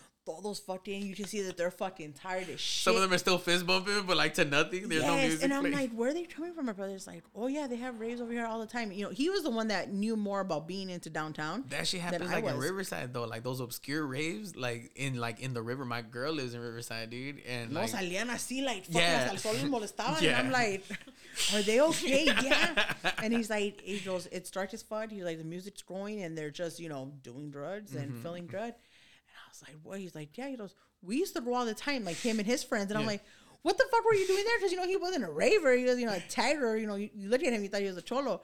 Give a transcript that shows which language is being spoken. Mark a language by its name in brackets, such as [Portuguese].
[English] Those fucking, you can see that they're fucking tired as shit. Some of them are still fist bumping, but like to nothing. There's no music. And I'm like, where are they coming from? My brother's like, oh yeah, they have raves over here all the time. You know, he was the one that knew more about being into downtown. That shit happens like in Riverside though, like those obscure raves, like in the river. My girl lives in Riverside, dude. And [Spanish] no, salían así [English] like fucking [Spanish] hasta el sol les molestaban. [English] Yeah. And I'm like, are they okay? Yeah. And he's like, he goes, it's dark as fuck. He's like, the music's growing and they're just, you know, doing drugs and mm-hmm. feeling good. Like, what? He's like, yeah, he goes, we used to roll all the time, like him and his friends. And I'm like, what the fuck were you doing there? Because, you know, he wasn't a raver. He was, you know, a tiger. You know, you look at him, you thought he was a cholo.